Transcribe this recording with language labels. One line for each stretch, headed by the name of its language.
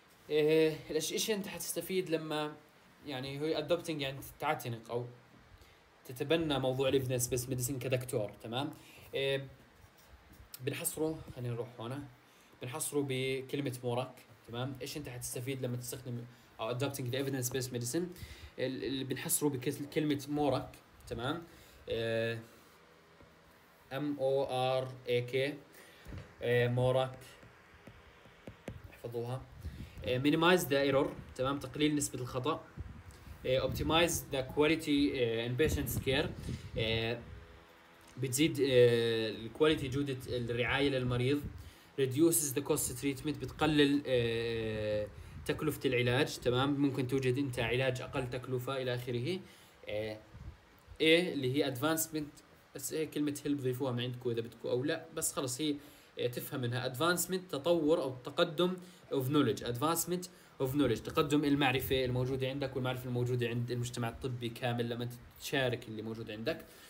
Arabic: ايش انت حتستفيد لما يعني هو ادوبتنج يعني تعتنق او تتبنى موضوع الايفيدنس بيس ميديسن كدكتور، تمام؟ بنحصره، خلينا نروح هنا، بنحصره بكلمه مورك، تمام؟ ايش انت حتستفيد لما تستخدم او ادوبتنج ذا ايفيدنس بيس ميديسن؟ اللي بنحصره بكلمه مورك، تمام؟ ام او ار اي كي مورك، احفظوها.
English: minimize the error،
Arabic: تمام، تقليل نسبة الخطأ.
English: optimize the quality in patient care،
Arabic: بتزيد الكواليتي جودة الرعاية للمريض.
English: reduces the cost of treatment،
Arabic: بتقلل تكلفة العلاج، تمام، ممكن توجد انت علاج اقل تكلفة الى اخره. A اللي هي advancement، بس هي كلمة help ضيفوها من عندكم اذا بدكم او لا، بس خلص هي تفهم منها advancement، تطور أو تقدم of knowledge،
English: advancement of knowledge،
Arabic: تقدم المعرفة الموجودة عندك والمعرفة الموجودة عند المجتمع الطبي كامل لما تشارك اللي موجود عندك.